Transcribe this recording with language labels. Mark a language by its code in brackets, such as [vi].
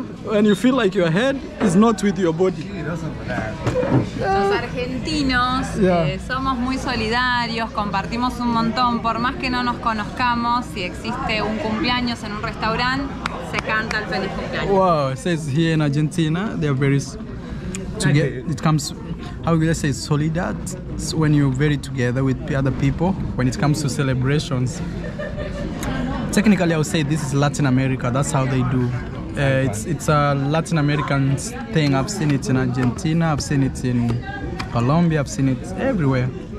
[en] And you feel like your head is not with your body. [es] Los argentinos somos muy solidarios, compartimos un montón. Por más que no nos conozcamos, si existe un cumpleaños en un restaurante, se canta el feliz cumpleaños. [en] Wow, it says here in Argentina, they are very together. It comes, how would I say, solidarity? It's when you're very together with other people, when it comes to celebrations. Technically, I would say this is Latin America, that's how they do. It's a Latin American thing. I've seen it in Argentina, I've seen it in Colombia, I've seen it everywhere.